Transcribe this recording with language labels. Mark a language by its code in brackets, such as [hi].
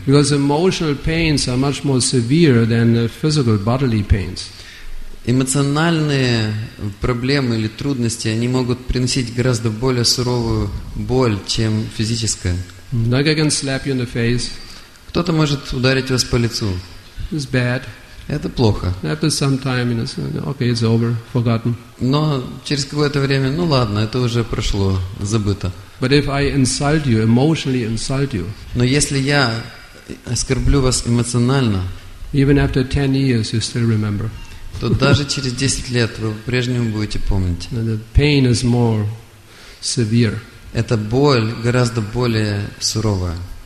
[en] Because emotional pains are much more severe than physical bodily pains. [ru] Эмоциональные проблемы или трудности, они могут приносить гораздо более суровую боль, чем физическая. [en] Like I can slap you in the face. [ru] Кто-то может ударить вас по лицу. [en] It's bad. [ru] Это плохо. [en] After some time, you know, okay, it's over, forgotten. [ru] Но через какое-то время, ну ладно, это уже прошло, забыто. [en] But if I insult you, emotionally insult you. [ru] Но если я оскорблю вас эмоционально, [en] even after 10 years, you still remember. [ru] То даже через 10 лет вы по-прежнему будете помнить. [en] And the pain is more severe. [ru] Эта боль гораздо более суровая.